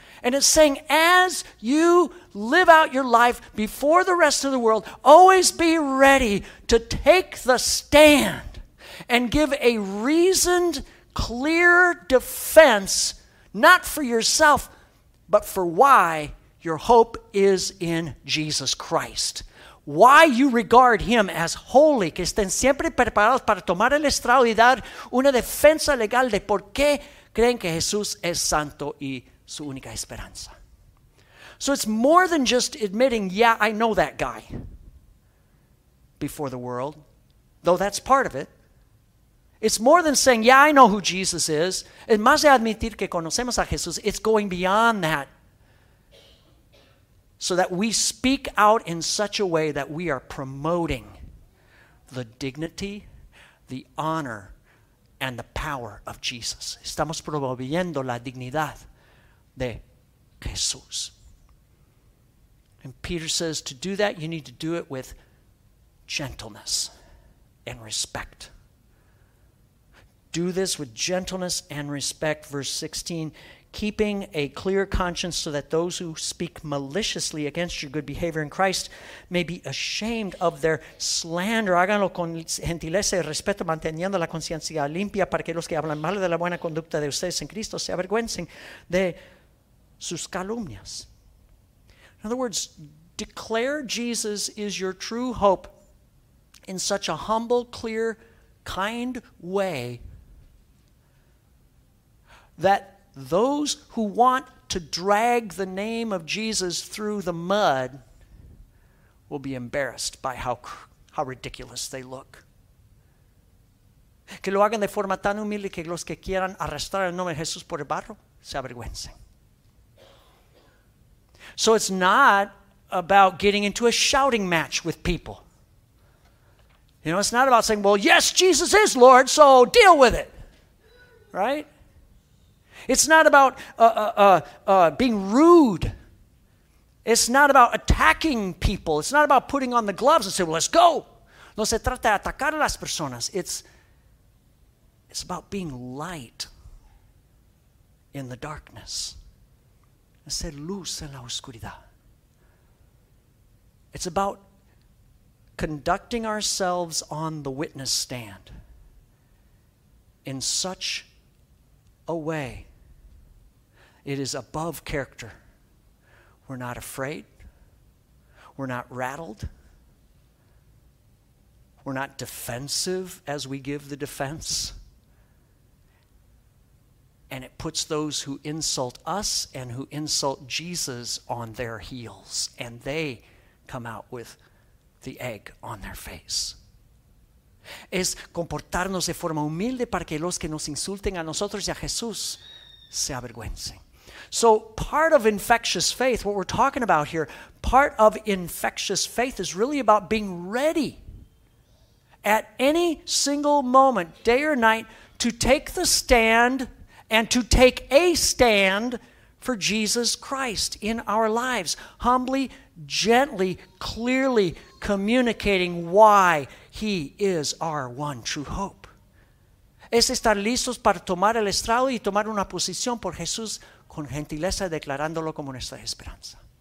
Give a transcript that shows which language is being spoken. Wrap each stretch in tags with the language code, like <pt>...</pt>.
<en>And it's saying, as you live out your life before the rest of the world, always be ready to take the stand and give a reasoned, clear defense, not for yourself, but for why your hope is in Jesus Christ. Why you regard him as holy.</en> <es>Que estén siempre preparados para tomar el estrado y dar una defensa legal de por qué creen que Jesús es santo y su única esperanza.</es> <en>So it's more than just admitting, yeah, I know that guy before the world, though that's part of it. It's more than saying, yeah, I know who Jesus is.</en> <es>Es más de admitir que conocemos a Jesús.</es> <en>It's going beyond that. so that we speak out in such a way that we are promoting the dignity, the honor, and the power of Jesus.</en> <es>Estamos promoviendo la dignidad de Jesús.</es> <en>And Peter says, to do that, you need to do it with gentleness and respect. Do this with gentleness and respect. Verse 16, keeping a clear conscience so that those who speak maliciously against your good behavior in Christ may be ashamed of their slander.</en> <es>Háganlo con gentileza y respeto, manteniendo la conciencia limpia para que los que hablan mal de la buena conducta de ustedes en Cristo se avergüencen de sus calumnias.</es> <en>In other words, declare Jesus is your true hope in such a humble, clear, kind way that those who want to drag the name of Jesus through the mud will be embarrassed by how ridiculous they look.</en> <es>Que lo hagan de forma tan humilde que los que quieran arrastrar el nombre de Jesús por el barro se avergüencen.</es> <en>So it's not about getting into a shouting match with people. You know, it's not about saying, well, yes, Jesus is Lord, so deal with it. Right? It's not about being rude. It's not about attacking people. It's not about putting on the gloves and saying, well, let's go.</en> <es>No se trata de atacar a las personas.</es> <en>It's about being light in the darkness.</en> <es>Ser luz en la oscuridad.</es> <en>It's about conducting ourselves on the witness stand in such a way it is above character. We're not afraid. We're not rattled. We're not defensive as we give the defense. And it puts those who insult us and who insult Jesus on their heels. And they come out with the egg on their face.</en> <es>Es comportarnos de forma humilde para que los que nos insulten a nosotros y a Jesús se avergüencen.</es> <en>So part of infectious faith, what we're talking about here, part of infectious faith is really about being ready at any single moment, day or night, to take the stand and to take a stand for Jesus Christ in our lives, humbly, gently, clearly communicating why he is our one true hope.</en> <es>Es estar listos para tomar el estrado y tomar una posición por Jesús con gentileza, declarándolo como nuestra esperanza.</es>